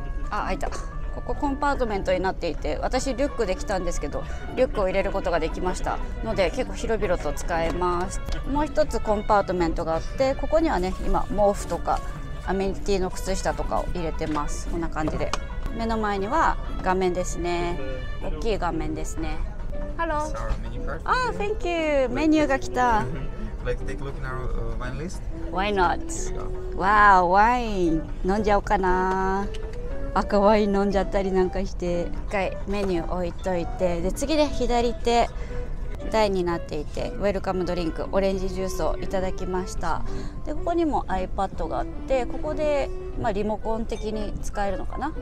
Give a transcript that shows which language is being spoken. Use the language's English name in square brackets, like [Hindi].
[Japanese] あ、開いた。ここコンパートメントになっていて、私リュックで来たんですけど、リュックを入れることができましたので、結構広々と使えます。もう一つコンパートメントがあって、ここにはね今毛布とかアメニティの靴下とかを入れてます。こんな感じで目の前には画面ですね、大きい画面ですね。ハロー。あ、 [English] oh, thank you、 [Japanese] メニューが来た。 [English] Like, take a look in our wine list. Why not? Wow, wine. [Japanese] 飲んじゃおうかな。赤ワイン飲んじゃったりなんかして、一回メニュー置いといて、で次で左手台になっていて、ウェルカムドリンク、オレンジジュースをいただきました。でここにも iPad があって、ここで、まあ、リモコン的に使えるのかな。